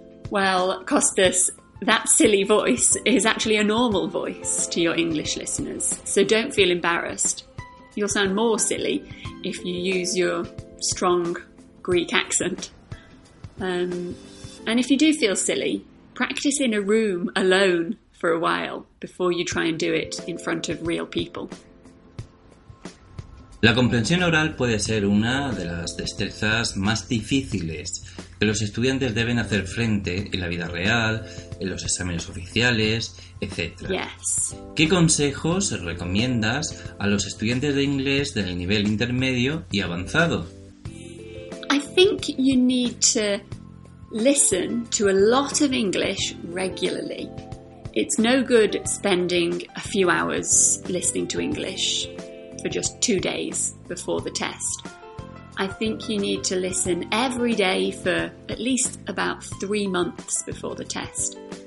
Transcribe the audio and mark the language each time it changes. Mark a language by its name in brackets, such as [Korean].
[English] Well, Kostas, that silly voice is actually a normal voice to your English listeners, so don't feel embarrassed. You'll sound more silly if you use your strong Greek accent. And if you do feel silly, practice in a room alone for a while before you try and do it in front of real people. [Spanish] La comprensión oral puede ser una de las destrezas más difíciles que los estudiantes deben hacer frente en la vida real, en los exámenes oficiales, etc. [English] Yes. [Spanish] ¿Qué consejos recomiendas a los estudiantes de inglés del nivel intermedio y avanzado? [English] I think you need to listen to a lot of English regularly. It's no good spending a few hours listening to English for just 2 days before the test. I think you need to listen every day for at least about 3 months before the test.